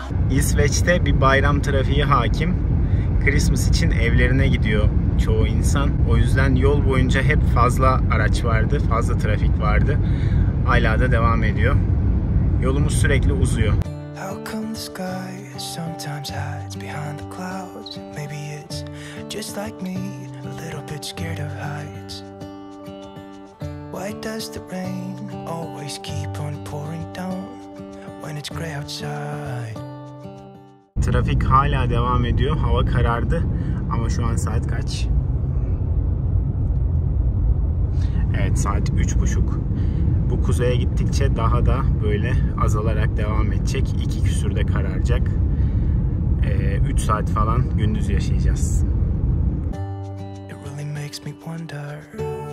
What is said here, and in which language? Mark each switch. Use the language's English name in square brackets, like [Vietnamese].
[Turkish] İsveç'te bir bayram trafiği hakim. Christmas için evlerine gidiyor çoğu insan. O yüzden yol boyunca hep fazla araç vardı, fazla trafik vardı. Hala da devam ediyor. Yolumuz sürekli uzuyor. [English] How come the sky sometimes hides behind the clouds? Maybe it's just like me, a little bit scared of heights. Why does the rain always keep on pouring down when it's gray outside? [Turkish] Trafik hala devam ediyor. Hava karardı. Ama şu an saat kaç? Evet, saat 3.30. Bu kuzeye gittikçe daha da böyle azalarak devam edecek. 2 küsürde kararacak. 3 saat falan gündüz yaşayacağız. [English] It really makes me wonder.